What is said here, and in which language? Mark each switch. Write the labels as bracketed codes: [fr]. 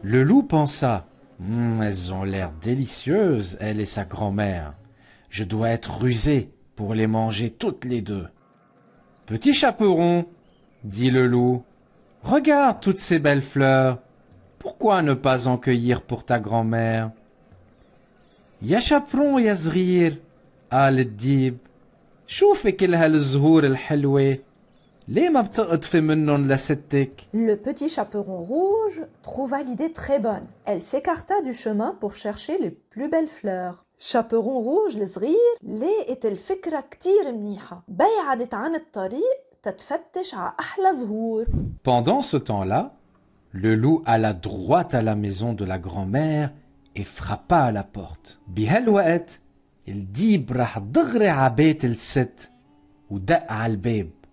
[fr] Le loup pensa, elles ont l'air délicieuses, elle et sa grand-mère. Je dois être rusé pour les manger toutes les deux. Petit chaperon, dit le loup, regarde toutes ces belles fleurs. Pourquoi ne pas en cueillir pour ta grand-mère? [ar] يا شابرون يا صغير قال الديب شوفي كل هالزهور الحلوة ليه ما بتقطفي منهم لستك؟ [fr] Le petit chaperon rouge trouva l'idée très bonne. Elle s'écarta du chemin pour chercher les plus belles fleurs. [ar] شابرون روج الصغير لقيت الفكرة كتير منيحة. بعدت عن الطريق تتفتش على أحلى زهور. [fr] Pendant ce temps-là, le loup alla droit à la maison de la grand-mère et frappa à la porte. [ar] بهالوقت الديب راح دغري على بيت الست ودق على الباب.